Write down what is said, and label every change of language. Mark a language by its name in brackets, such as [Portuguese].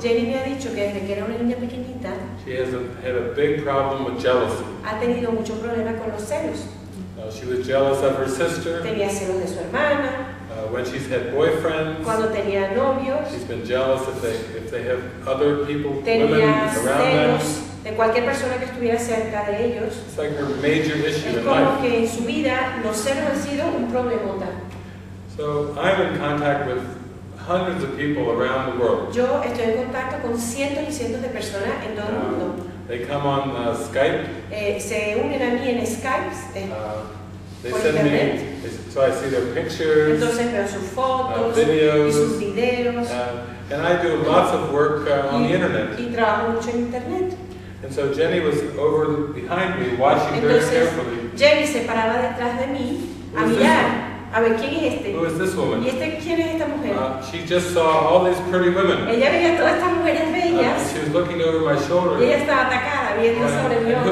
[Spanish] Jenny me ha dicho que desde que era una niña pequeñita, [English] she has had a big problem with jealousy. [Spanish] Ha tenido mucho problema con los celos. [English] She was jealous of her sister. [Spanish] Tenía celos de su hermana. [English] When she's had boyfriends, [Spanish] cuando tenía novios, [English] she's been jealous if they have other people, [Spanish] tenía [English] women around [Spanish] celos [English] them. [Spanish] De cualquier persona que estuviera cerca de ellos. [English] It's like her major issue [Spanish] Es como que en su vida los celos han sido un problemota. [English] So I'm in contact with hundreds of people around the world. [Spanish] Yo estoy en contacto con cientos y cientos de personas en todo el mundo. [English] They come on Skype. [Spanish] Se unen a mí en Skype. [English] They send me, so I see their pictures, [Spanish] entonces veo sus fotos, [English] videos, [Spanish] y sus videos, [English] and I do lots of work on the internet. [Spanish] Y trabajo mucho en internet. [English] And so Jenny was over behind me, watching [Spanish] entonces, [English] very carefully. [Spanish] Jenny se paraba detrás de mí, a mirar, a ver quién es este. [English] Who is this woman? [Spanish] ¿Y este, quién es esta mujer? [English] She just saw all these pretty women. [Spanish] Ella veía todas estas mujeres bellas. [English] She was looking over my shoulder. [Spanish] Y ella estaba atacada, viendo sobre mi hombro.